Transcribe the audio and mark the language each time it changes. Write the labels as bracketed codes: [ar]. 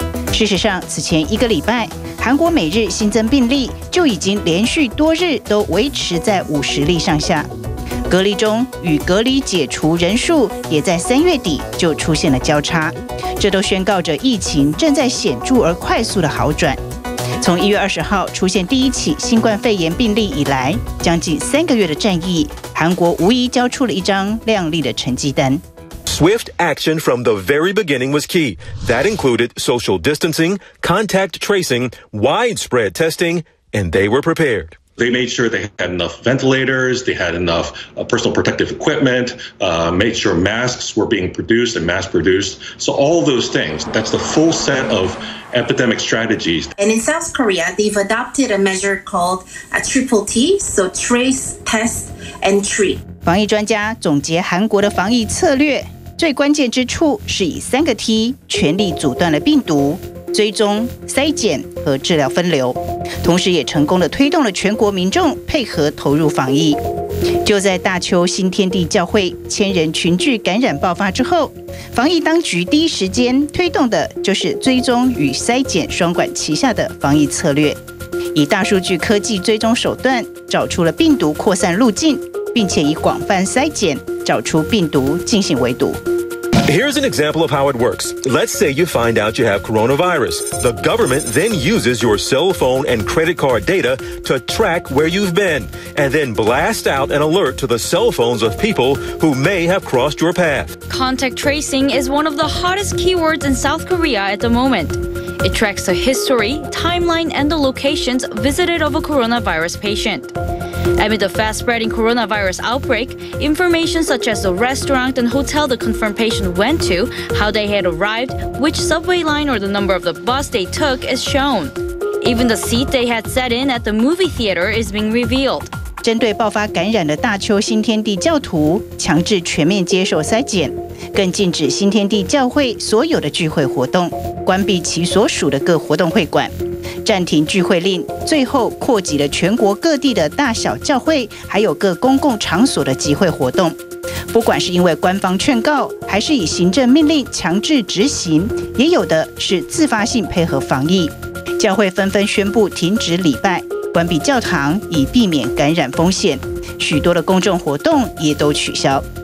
[zh] 事实上，此前一个礼拜，韩国每日新增病例就已经连续多日都维持在50例上下，隔离中与隔离解除人数也在3月底就出现了交叉，这都宣告着疫情正在显著而快速的好转。从1月20号出现第一起新冠肺炎病例以来，将近三个月的战役，韩国无疑交出了一张亮丽的成绩单。 [en] Swift action from the very beginning was key. That included social distancing, contact tracing, widespread testing, and they were prepared. They made sure they had enough ventilators, they had enough personal protective equipment, made sure masks were being produced and mass produced. So all those things, that's the full set of epidemic strategies. And in South Korea, they've adopted a measure called a triple T, so trace, test, and treat. [zh] 防疫专家总结韩国的防疫策略，最关键之处是以三个 T 全力阻断了病毒、追踪、筛检和治疗分流，同时也成功的推动了全国民众配合投入防疫。就在大邱新天地教会千人群聚感染爆发之后，防疫当局第一时间推动的就是追踪与筛检双管齐下的防疫策略，以大数据科技追踪手段找出了病毒扩散路径，并且以广泛筛检找出病毒进行围堵。 [en] Here's an example of how it works. Let's say you find out you have coronavirus. The government then uses your cell phone and credit card data to track where you've been, and then blast out an alert to the cell phones of people who may have crossed your path. Contact tracing is one of the hottest keywords in South Korea at the moment. It tracks the history, timeline, and the locations visited of a coronavirus patient. Amid the fast-spreading coronavirus outbreak, information such as the restaurant and hotel the confirmed patient went to, how they had arrived, which subway line or the number of the bus they took is shown. Even the seat they had sat in at the movie theater is being revealed. [zh] 针对爆发感染的大邱新天地教徒，强制全面接受筛检，更禁止新天地教会所有的聚会活动，关闭其所属的各活动会馆。暂停聚会令最后扩及了全国各地的大小教会还有各公共场所的集会活动，不管是因为官方劝告还是以行政命令强制执行，也有的是自发性配合防疫，教会纷纷宣布停止礼拜，关闭教堂以避免感染风险，许多的公众活动也都取消。